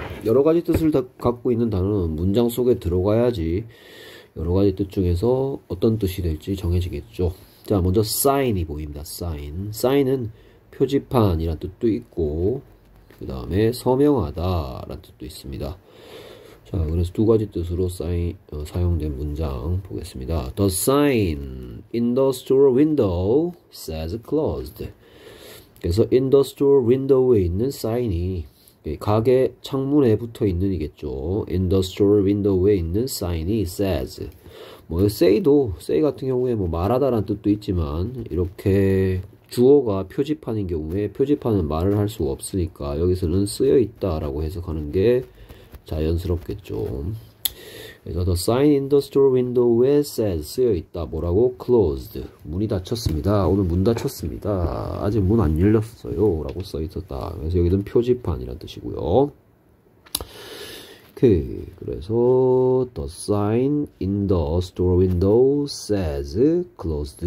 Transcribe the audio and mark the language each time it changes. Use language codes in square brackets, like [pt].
[ko] 여러 가지 뜻을 갖고 있는 단어는 문장 속에 들어가야지 여러 가지 뜻 중에서 어떤 뜻이 될지 정해지겠죠. 자, 먼저 사인이 보입니다. 사인. 사인은 표지판이란 뜻도 있고, 그 다음에 서명하다라는 뜻도 있습니다. 자, 그래서 두 가지 뜻으로 사용된 문장 보겠습니다. [en] The sign in the store window says closed. [ko] 그래서 [en] in the store window [ko] 에 있는 sign이 가게 창문에 붙어 있는 이겠죠. [en] In the store window [ko] 에 있는 sign이 says. 뭐, say 같은 경우에 뭐 말하다라는 뜻도 있지만, 이렇게 주어가 표지판인 경우에 표지판은 말을 할 수가 없으니까 여기서는 쓰여 있다라고 해석하는 게 자연스럽겠죠. 그래서 [en] the sign in the store window [ko] 에 says 쓰여 있다. 뭐라고? closed. 문이 닫혔습니다. 오늘 문 닫혔습니다. 아직 문안 열렸어요. 라고 써 있었다. 그래서 여기는 표지판이란 뜻이고요. 오케이. [en] 그래서 the sign in the store window says closed.